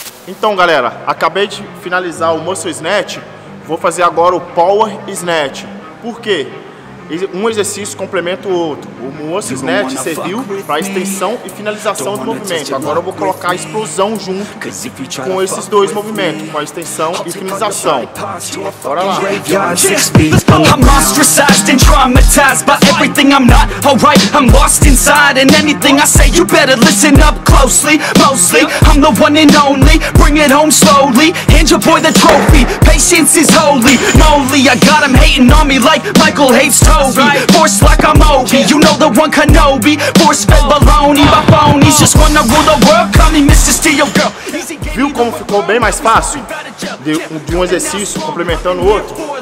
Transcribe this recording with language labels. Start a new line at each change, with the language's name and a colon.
Portuguese: Então galera, acabei de finalizar o Muscle Snatch, vou fazer agora o Power Snatch. Por quê? Um exercício complementa o outro. O Muscle Snatch serviu pra extensão e finalização do movimento. Agora eu vou colocar a explosão junto com esses dois movimentos, com a extensão e finalização. Bora lá.
English: I'm ostracized and traumatized by everything I'm not. Alright, I'm lost inside and anything I say you better listen up closely. Mostly, I'm the one and only. Bring it home slowly. Hand your boy the trophy. Patience is holy. Moly, I got him hating on me like Michael hates Toby. Force like I'm Obi. You know the one Kenobi. Force fed baloney by phonies. Just wanna rule the world. Call me Mr. Steel Girl.
Portuguese: Viu como ficou bem mais fácil? De um exercício complementando o outro.